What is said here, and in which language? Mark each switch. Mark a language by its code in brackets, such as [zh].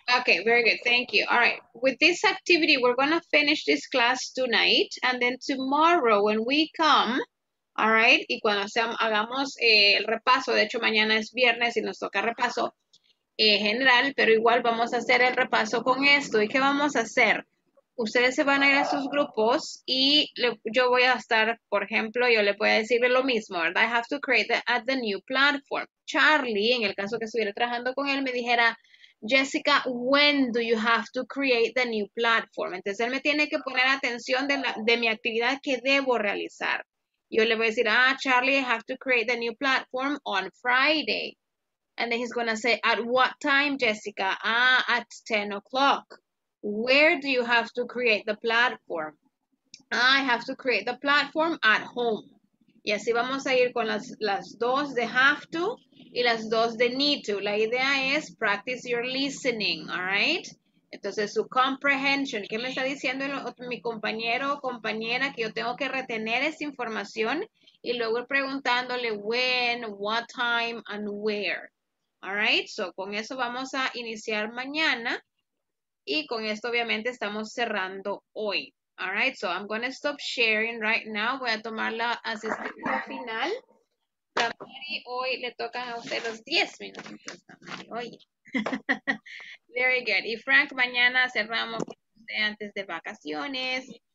[en] Okay, very good, thank you. All right, with this activity, we're gonna finish this class tonight, and then tomorrow when we come, all right, [es] y cuando hagamos el repaso, de hecho mañana es viernes y nos toca repaso, general, pero igual vamos a hacer el repaso con esto. ¿Y qué vamos a hacer? Ustedes se van a ir a sus grupos y yo voy a estar, por ejemplo, yo le voy a decir lo mismo, ¿verdad? [en] I have to create at the new platform. [es] Charlie, en el caso que estuviera trabajando con él, me dijera, Jessica, [en] when do you have to create the new platform? [es] Entonces, él me tiene que poner atención de mi actividad que debo realizar. Yo le voy a decir, ah, Charlie, [en] I have to create the new platform on Friday. And then he's going to say, at what time, Jessica? Ah, at 10 o'clock. Where do you have to create the platform? I have to create the platform at home. [es] Y así vamos a ir con las dos de have to y las dos de need to. La idea es [en] practice your listening, all right? [es] Entonces, su comprehension. ¿Qué me está diciendo mi compañero o compañera? Que yo tengo que retener esa información y luego preguntándole [en] when, what time, and where. All right, so [es] con eso vamos a iniciar mañana y con esto obviamente estamos cerrando hoy. [en] All right, so I'm going to stop sharing right now. [es] Voy a tomar la asistencia final. La Mary, hoy le tocan a usted los 10 minutos. Hoy. [en] Very good. [es] Y Frank, mañana cerramos con usted antes de vacaciones.